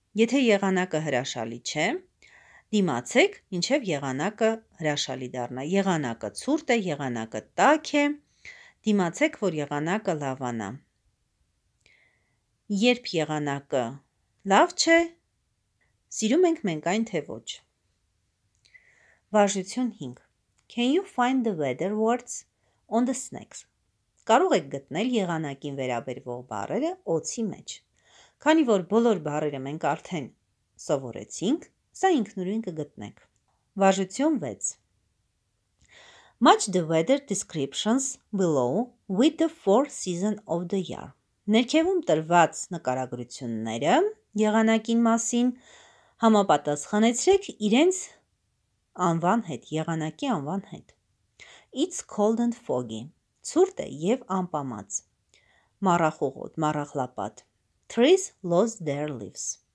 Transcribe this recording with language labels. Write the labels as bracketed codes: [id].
[hy] Եթե եղանակը հրաշալի չէ, դիմացեք, ինչև եղանակը հրաշալի դառնա. Եղանակը ցուրտ է, եղանակը տաք է, դիմացեք, որ եղանակը լավանա. Երբ եղանակը լավ չէ, սիրում ենք մենք այն թե ոչ. Վարժություն 5. [en] Can you find the weather words on the snacks? [hy] Կարող եք գտնել եղանակին վերաբերվող բառերը օձի մեջ. Քանի որ բոլոր բառերը մենք արդեն սովորեցինք, սա ինքնուրույն կգտնենք. Վարժություն 6. [en] Match the weather descriptions below with the four seasons of the year. [hy] Ներքևում տրված նկարագրությունները եղանակին մասին համապատասխանեցրեք իրենց անվան հետ, եղանակի անվան հետ. [en] It's cold and foggy. [hy] Ցուրտ է եւ անպամած. Մառախուղոտ, մառախլապատ. [en] Trees lost their leaves.